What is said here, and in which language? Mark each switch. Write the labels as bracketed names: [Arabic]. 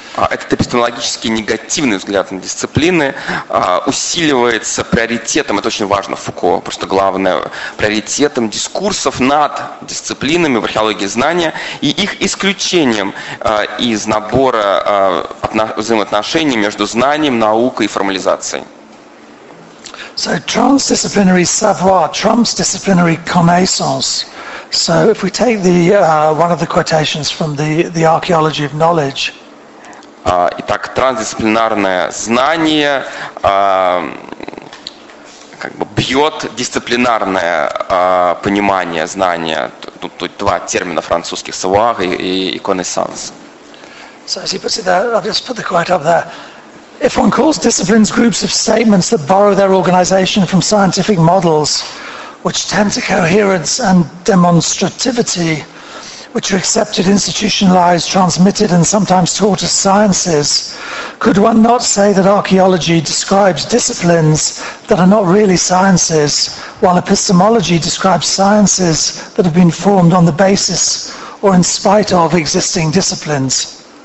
[Russian] Этот эпистемологически негативный взгляд на дисциплины усиливается приоритетом, это очень важно в Фуко, просто главное, приоритетом дискурсов над дисциплинами в археологии знания и их исключением из набора взаимоотношений между знанием, наукой и формализацией. [English] So transdisciplinary savoir trumps disciplinary connaissance. So if we take the one of the quotations from the archaeology of knowledge. [Russian] Итак, трансдисциплинарное знание как бы бьет дисциплинарное понимание знания. Тут два термина французских savoir и connaissance. [English] So as he puts it there, I'll just put the quote up there. If one calls disciplines groups of statements that borrow their organization from scientific models, which tend to coherence and demonstrativity, which are accepted, institutionalized, transmitted, and sometimes taught as sciences, could one not say that archaeology describes disciplines that are not really sciences, while epistemology describes sciences that have been formed on the basis or in spite of existing disciplines?